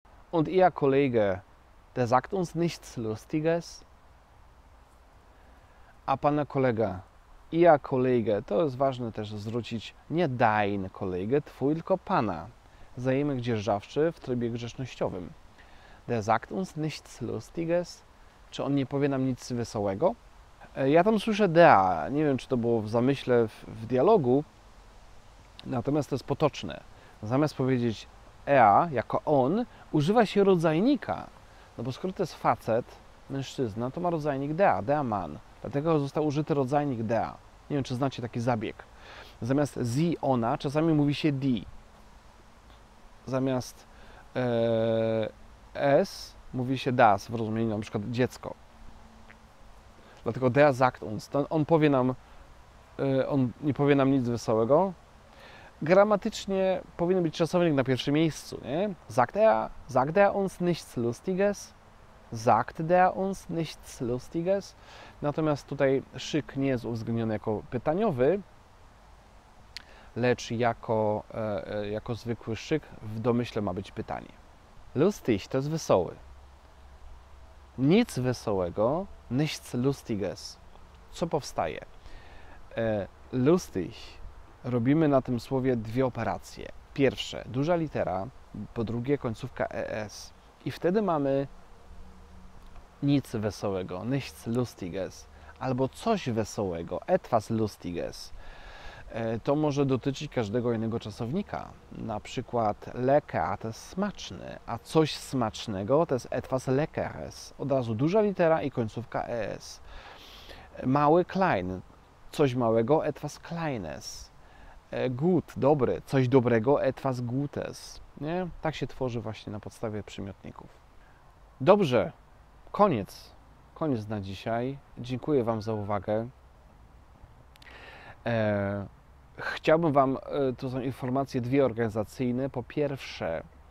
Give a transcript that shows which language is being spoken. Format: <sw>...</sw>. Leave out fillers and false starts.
<de>Und ihr Kollege, der sagt uns nichts Lustiges.</de> <pl>A pana kolega,</pl> <de>ihr Kollege,</de> <pl>to jest ważne też zwrócić, nie</pl> <de>dein Kollege,</de> <pl>twój, tylko pana. Zajmiemy dzierżawczy w trybie grzecznościowym.</pl> <de>Der sagt uns nichts Lustiges.</de> <pl>Czy on nie powie nam nic wesołego? Ja tam słyszę der, nie wiem, czy to było w zamyśle, w dialogu, natomiast to jest potoczne. Zamiast powiedzieć er, jako on, używa się rodzajnika. No bo skoro to jest facet, mężczyzna, to ma rodzajnik der Mann. Dlatego został użyty rodzajnik der. Nie wiem, czy znacie taki zabieg. Zamiast sie, ona, czasami mówi się die. Zamiast es, mówi się das, w rozumieniu na przykład dziecko. Dlatego</pl> <de>der sagt uns.</de> <pl>On powie nam, on nie powie nam nic wesołego. Gramatycznie powinien być czasownik na pierwszym miejscu, nie?</pl> <de>Sagt er uns nichts Lustiges? Sagt der uns nichts Lustiges?</de> <pl>Natomiast tutaj szyk nie jest uwzględniony jako pytaniowy, lecz jako zwykły szyk w domyśle ma być pytanie. Lustig to jest wesoły. Nic wesołego,</pl> <de>nichts Lustiges.</de> <pl>Co powstaje? Lustig. Robimy na tym słowie dwie operacje. Pierwsze, duża litera, po drugie końcówka es. I wtedy mamy nic wesołego,</pl> <de>nichts lustiges,</de> <pl>albo coś wesołego,</pl> <de>etwas lustiges.</de> <pl>To może dotyczyć każdego innego czasownika. Na przykład lecker to jest smaczny, a coś smacznego to jest</pl> <de>etwas leckeres.</de> <pl>Od razu duża litera i końcówka es. Mały, klein, coś małego,</pl> <de>etwas kleines.</de> <pl>Gut, dobry, coś dobrego,</pl> <de>etwas gutes.</de> <pl>Nie? Tak się tworzy właśnie na podstawie przymiotników. Dobrze, koniec. Koniec na dzisiaj. Dziękuję Wam za uwagę. Chciałbym Wam, to są informacje dwie organizacyjne. Po pierwsze,</pl>